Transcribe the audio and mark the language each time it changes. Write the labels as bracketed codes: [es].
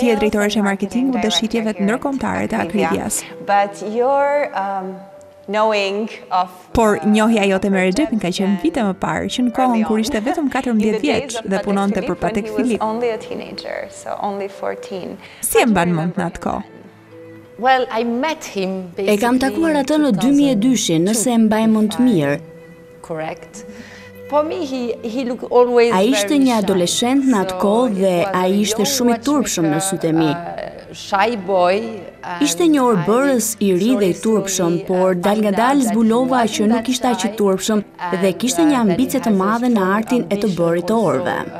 [sq] Ti je drejtoresha e marketingut dhe shitjeve ndërkombëtare të akrivjas. [en] But your knowing of [sq] por njohja jote me Recepin ka qenë vite më parë, që në kohën kur ishte vetëm 14 vjeç dhe punonte për Patek Philippe. [en] He was only a teenager, so only 14. [sq] Si e mban mend atë kohë? [en] Well, I met him basically. [sq] E kam takuar atë në 2002, nëse e mbaj mend mirë. [en] Correct. For me he looked always [sq] ai ishte një adoleshent në atë kohë dhe ai ishte shumë i turpshëm në sytë e mi. [en] shy boy. [sq] Ishte një orëbërës i ri dhe i turpshëm, por dal nga dal zbulova që nuk ishte aq i turpshëm dhe kishte një ambicie të madhe në artin e të bërit të orëve.